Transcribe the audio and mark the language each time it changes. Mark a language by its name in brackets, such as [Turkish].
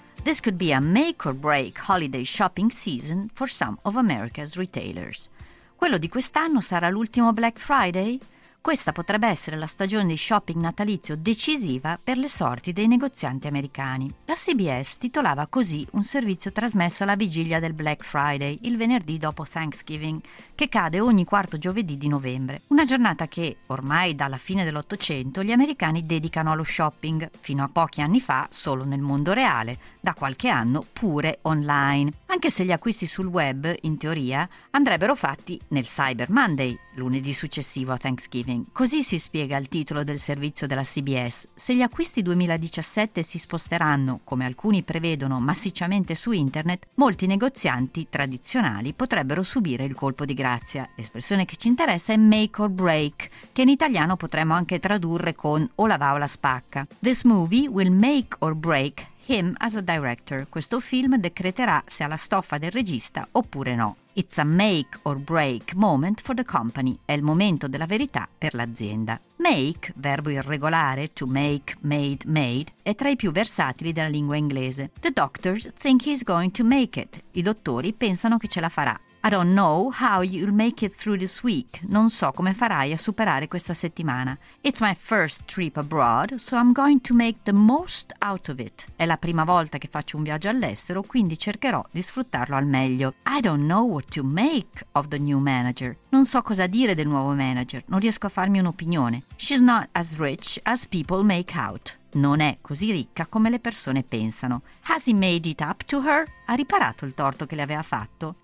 [English] This could be a make or break holiday shopping season for some of America's retailers. [Italian] Quello di quest'anno sarà l'ultimo Black Friday? Questa potrebbe essere la stagione di shopping natalizio decisiva per le sorti dei negozianti americani. La CBS titolava così un servizio trasmesso alla vigilia del Black Friday, il venerdì dopo Thanksgiving, che cade ogni quarto giovedì di novembre. Una giornata che, ormai dalla fine dell'Ottocento, gli americani dedicano allo shopping, fino a pochi anni fa solo nel mondo reale, da qualche anno pure online. Anche se gli acquisti sul web, in teoria, andrebbero fatti nel Cyber Monday, lunedì successivo a Thanksgiving. Così si spiega il titolo del servizio della CBS. Se gli acquisti 2017 si sposteranno, come alcuni prevedono, massicciamente su internet, molti negozianti tradizionali potrebbero subire il colpo di grazia. L'espressione che ci interessa è make or break, che in italiano potremmo anche tradurre con o la va o la spacca. [English] This movie will make or break him as a director. [Italian] Questo film decreterà se ha la stoffa del regista oppure no. [English] It's a make or break moment for the company. [Italian] È il momento della verità per l'azienda. Make, verbo irregolare, to make, made, made, è tra i più versatili della lingua inglese. [English] The doctors think he's going to make it. [Italian] I dottori pensano che ce la farà. [English] I don't know how you'll make it through this week. [Italian] Non so come farai a superare questa settimana. [English] It's my first trip abroad, so I'm going to make the most out of it. [Italian] È la prima volta che faccio un viaggio all'estero, quindi cercherò di sfruttarlo al meglio. [English] I don't know what to make of the new manager. [Italian] Non so cosa dire del nuovo manager, non riesco a farmi un'opinione. [English] She's not as rich as people make out. [Italian] Non è così ricca come le persone pensano. [English] Has he made it up to her? [Italian] Ha riparato il torto che le aveva fatto?